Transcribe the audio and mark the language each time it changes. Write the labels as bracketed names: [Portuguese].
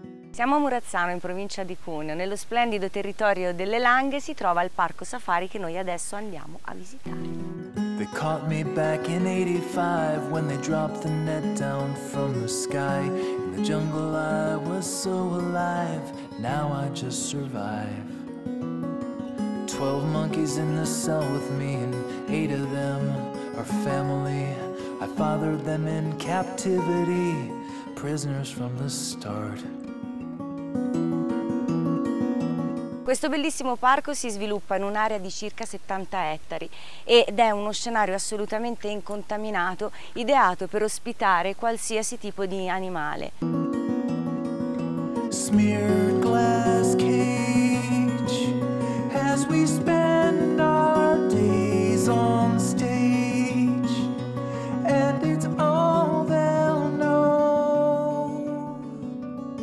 [Italian] Siamo a Murazzano, in provincia di Cuneo. Nello splendido territorio delle Langhe si trova il parco safari che noi adesso andiamo a visitare. [English] They caught me back in 85 when they dropped the net down from the sky. In the jungle I was so alive, now I just survive. 12 monkeys in the cell with me and 8 of them are family. I fathered them in captivity, prisoners from the start. [Italian] Questo bellissimo parco si sviluppa in un'area di circa 70 ettari ed è uno scenario assolutamente incontaminato, ideato per ospitare qualsiasi tipo di animale. [English] Smeared glass cage, as we spend our days on stage, and it's all they'll know.